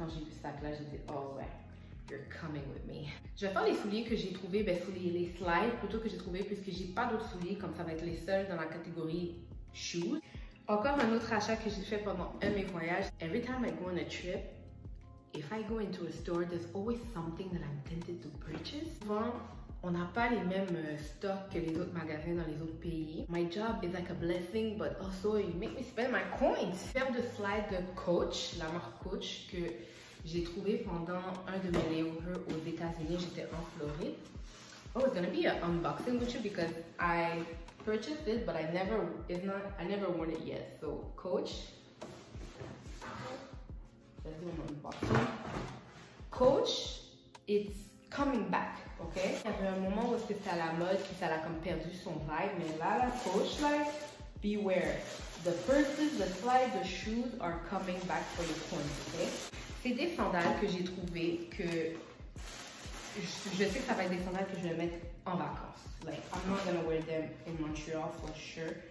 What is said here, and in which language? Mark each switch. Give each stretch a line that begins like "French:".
French: Quand j'ai vu ce sac-là, j'ai dit, oh ouais,
English: you're coming with me.
French: Je vais faire les souliers que j'ai trouvés, ben, souliers, les slides plutôt que j'ai trouvé, puisque j'ai pas d'autres souliers, comme ça va être les seuls dans la catégorie shoes. Encore un autre achat que j'ai fait pendant un de mes voyages.
English: Every time I go on a trip, if I go into a store, there's always something that I'm tempted to purchase.
French: Souvent, on n'a pas les mêmes stocks que les autres magasins dans les autres pays.
English: My job is like a blessing, but also you make me spend my coins.
French: Faire de slide de Coach, la marque Coach, que j'ai trouvé pendant un de mes layovers aux États-Unis. J'étais en Floride.
English: Oh, it's gonna be an unboxing with you because I purchased it, but I never worn it yet. So, Coach. Let's do an unboxing. Coach, it's coming back, ok?
French: Il y avait un moment où c'était à la mode, puis ça a comme perdu son vibe, mais là, la Coach,
English: like, beware. The purses, the slides, the shoes are coming back for the coins, ok?
French: C'est des sandales que j'ai trouvées que... Je sais que ça va être des sandales que je vais mettre en vacances.
English: Like, I'm not gonna wear them in Montreal for sure.